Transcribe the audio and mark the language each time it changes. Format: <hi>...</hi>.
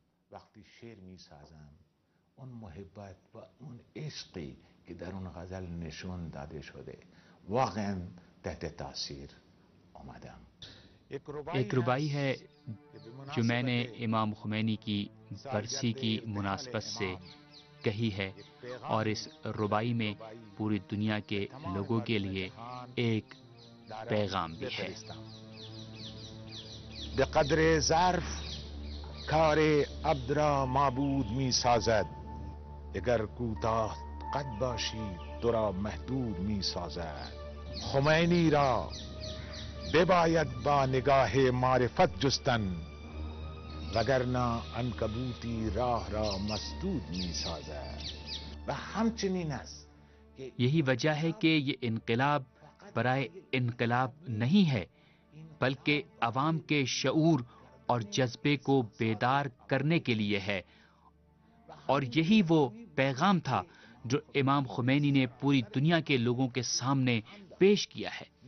<fa>وقتی شعر می سازم ان محبت و ان عشقی که در اون غزل نشون داده شده واقعا تحت تاثیر آمدم۔</fa> <ur>ایک ربائی ہے جو میں نے امام خمینی کی برسی کی مناسبت سے کہی ہے، اور اس ربائی میں پوری دنیا کے لوگوں کے لیے ایک پیغام بھی ہے۔</ur> <fa>بقدر ظرف کار عبد را معبود می سازد، اگر کوتاه قد باشی تو را محدود می سازد. خمینی را بباید با نگاه معرفت جستن، وگرنه عنکبوتی راه را مسدود می سازد. و همچنین است،</fa> <ur>یهی وجہ ہے کہ یہ انقلاب برائے انقلاب نہیں ہے، بلکہ عوام کے شعور اور جذبے کو بیدار کرنے کے لیے ہے، اور یہی وہ پیغام تھا جو امام خمینی نے پوری دنیا کے لوگوں کے سامنے پیش کیا ہے.</ur>